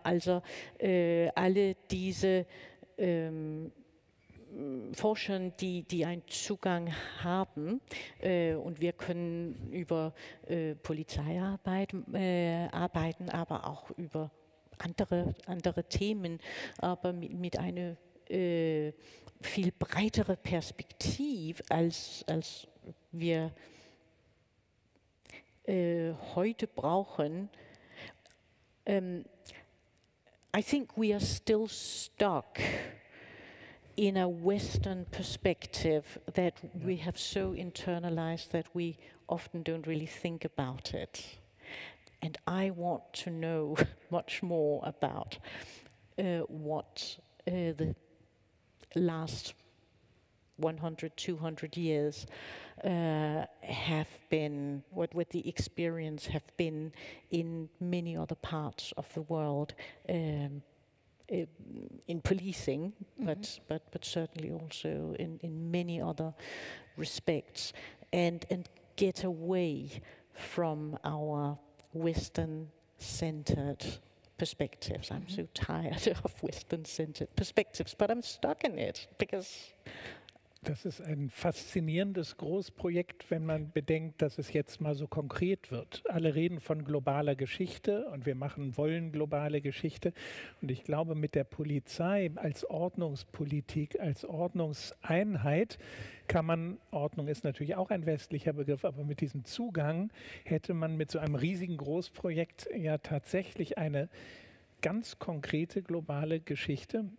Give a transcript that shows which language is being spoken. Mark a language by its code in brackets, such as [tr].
[de] Also alle diese Forschern, die einen Zugang haben und wir können über Polizeiarbeit arbeiten, aber auch über andere Themen, aber mit einer viel breitere Perspektive, als wir heute brauchen. [en] I think we are still stuck in a Western perspective that we have so internalized that we often don't really think about it. And I want to know much more about what the last 100, 200 years have been, what the experience have been in many other parts of the world, in policing, mm-hmm. but certainly also in many other respects, and get away from our Western-centered perspectives. I'm so tired of Western-centered perspectives, but I'm stuck in it because. [de] Das ist ein faszinierendes Großprojekt, wenn man bedenkt, dass es jetzt mal so konkret wird. Alle reden von globaler Geschichte und wir wollen globale Geschichte. Und ich glaube, mit der Polizei als Ordnungspolitik, als Ordnungseinheit kann man, Ordnung ist natürlich auch ein westlicher Begriff, aber mit diesem Zugang hätte man mit so einem riesigen Großprojekt ja tatsächlich eine ganz konkrete globale Geschichte.